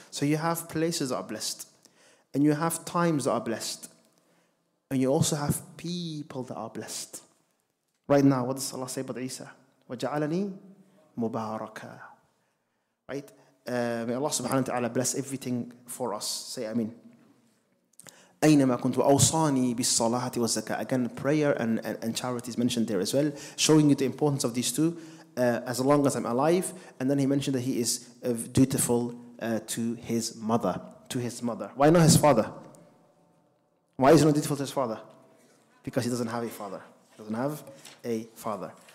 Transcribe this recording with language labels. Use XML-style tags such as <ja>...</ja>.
<en>So you have places that are blessed. And you have times that are blessed. And you also have people that are blessed. Right now, what does Allah say about Isa?</en> <ar>وَجَعَلَنِي مُبَارَكَ.</ar> <en>Right? May Allah subhanahu wa ta'ala bless everything for us. Say ameen.</en> <ar>أينما كنت وأوصاني بالصلاة والزكاة.</ar> <en>Again, prayer and charity is mentioned there as well, showing you the importance of these two as long as I'm alive. And then he mentioned that he is dutiful to his mother. To his mother. Why not his father? Why is he not dutiful to his father? Because he doesn't have a father. He doesn't have a father.</en>